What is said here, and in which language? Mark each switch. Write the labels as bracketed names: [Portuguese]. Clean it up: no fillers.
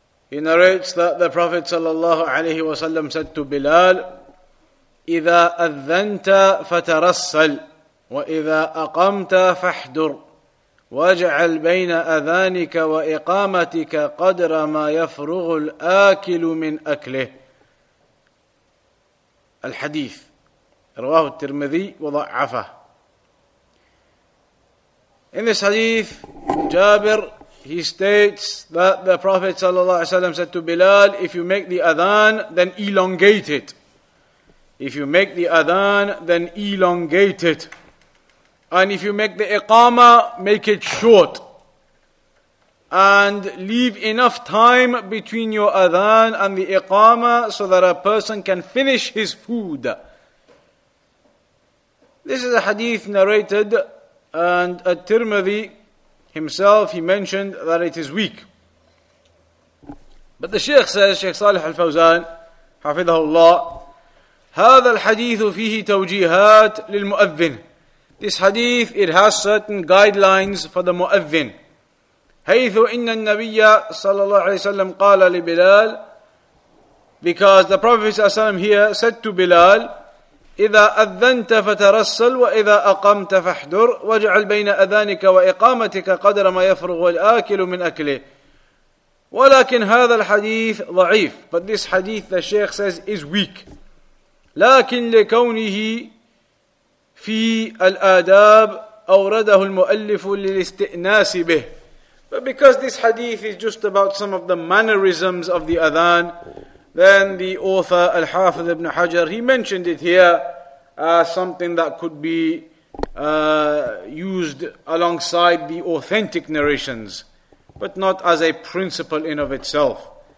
[English] He narrates that the Prophet صلى الله عليه وسلم said to Bilal, [Arabic] إذا أذنت فترسل وإذا أقمت فاحدر واجعل بين أذانك وإقامتك قدر ما يفرغ الآكل من أكله. الحديث رواه الترمذي وضعفه. [English] In this hadith, Jabir, he states that the Prophet ﷺ said to Bilal, if you make the adhan, then elongate it. If you make the adhan, then elongate it. And if you make the iqama, make it short. And leave enough time between your adhan and the iqama so that a person can finish his food. This is a hadith narrated, and at-Tirmidhi himself, he mentioned that it is weak. But the Shaykh says, Shaykh Salih al-Fawzan, hafidhahullah, [Arabic] هذا الحديث فيه توجيهات للمؤذن. [English] This hadith, it has certain guidelines for the مؤذن. [Arabic] حيث إن النبي صلى الله عليه وسلم قال لبلال, [English] because the Prophet ﷺ here said to Bilal, [Arabic] إذا أذنت فترسل وإذا أقمت فاحدر واجعل بين أذانك وإقامتك قدر ما يفرغ الآكل من أكله. ولكن هذا الحديث ضعيف. [English] But this hadith, the Shaykh says, is weak. [Arabic] لكن لكونه في الآداب أورده المؤلف للاستئناس به. [English] But because this hadith is just about some of the mannerisms of the adhan, then the author, Al-Hafidh ibn Hajar, he mentioned it here as something that could be used alongside the authentic narrations, but not as a principle in of itself.